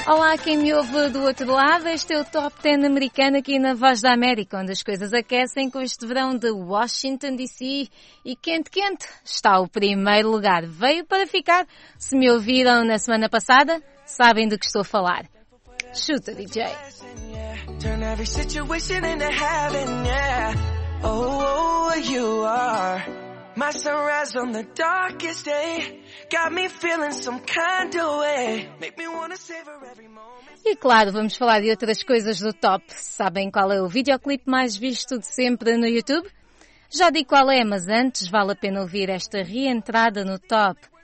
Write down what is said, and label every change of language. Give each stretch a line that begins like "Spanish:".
Portuguese: Olá, quem me ouve do outro lado, este é o Top 10 Americano aqui na Voz da América, onde as coisas aquecem com este verão de Washington DC. E quente, quente, está o primeiro lugar. Veio para ficar. Se me ouviram na semana passada, sabem do que estou a falar.
English: Shoot the DJ. Turn every situation into heaven, yeah. Oh, you are my sunrise on the darkest day. Got me feeling some kind of way. Make me wanna savor every moment.
Portuguese: E claro, vamos falar de outras coisas do top. Sabem qual é o videoclipe mais visto de sempre no YouTube? Já digo qual é, mas antes vale a pena ouvir esta reentrada no top.